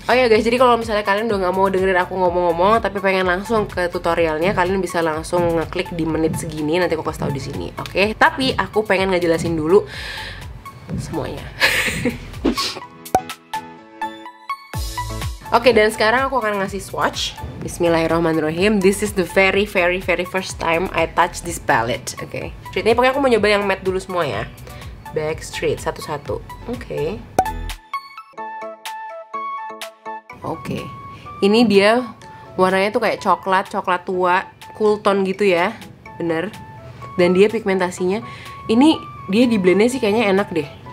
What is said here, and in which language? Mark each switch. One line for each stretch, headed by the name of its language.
Indonesian: Oh ya guys, jadi kalau misalnya kalian udah gak mau dengerin aku ngomong-ngomong tapi pengen langsung ke tutorialnya, kalian bisa langsung ngeklik di menit segini, nanti aku kasih tau di sini. Oke, okay? Tapi aku pengen ngejelasin dulu semuanya. Oke, dan sekarang aku akan ngasih swatch. Bismillahirrahmanirrahim.
English: This is the very very very first time I touch this palette.
Indonesian: Oke, okay. Ini pokoknya aku mau nyoba yang matte dulu semua ya. Backstreet satu-satu. Oke. Okay. Oke. Okay. Ini dia warnanya tuh kayak coklat, coklat tua, cool tone gitu ya. Bener. Dan dia pigmentasinya, ini dia di blendnya sih kayaknya enak deh.